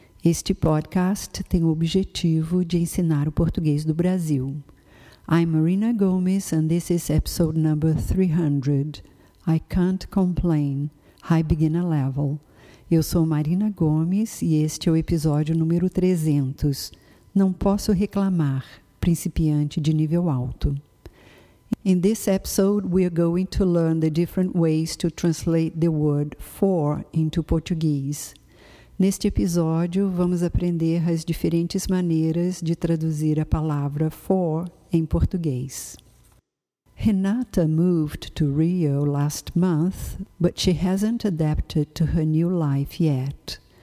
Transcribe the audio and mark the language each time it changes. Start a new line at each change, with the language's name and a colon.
Portuguese: Este podcast tem o objetivo de ensinar o português do Brasil.
English: I'm Marina Gomes and this is episode number 300. I can't complain. High beginner level.
Portuguese: Eu sou Marina Gomes e este é o episódio número 300. Não posso reclamar. Principiante de nível alto.
English: In this episode, we are going to learn the different ways to translate the word for into Portuguese.
Portuguese: Neste episódio, vamos aprender as diferentes maneiras de traduzir a palavra for em português.
English: Renata moved to Rio last month, but she hasn't adapted to her new life yet.